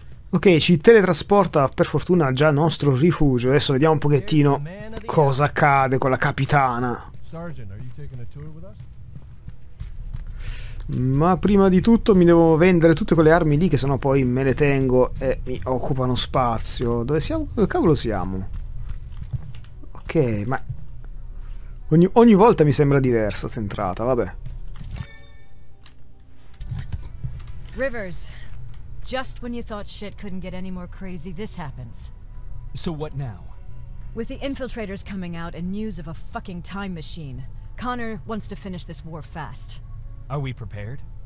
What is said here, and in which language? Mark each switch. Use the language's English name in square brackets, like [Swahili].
[Italian] Ok, ci teletrasporta per fortuna già il nostro rifugio. Adesso vediamo un pochettino cosa accade con la capitana. [English] Sergeant, are you taking a tour with us? [Italian] Ma prima di tutto mi devo vendere tutte quelle armi lì, che sennò poi me le tengo e mi occupano spazio. Dove siamo? Dove cavolo siamo? Ok, ma ogni volta mi sembra diversa questa entrata, vabbè. [English] Rivers, just when you thought shit couldn't get any more crazy, this happens. So what now? With the infiltrators coming out and news of a fucking time machine, Connor wants to finish this war fast. Are we prepared?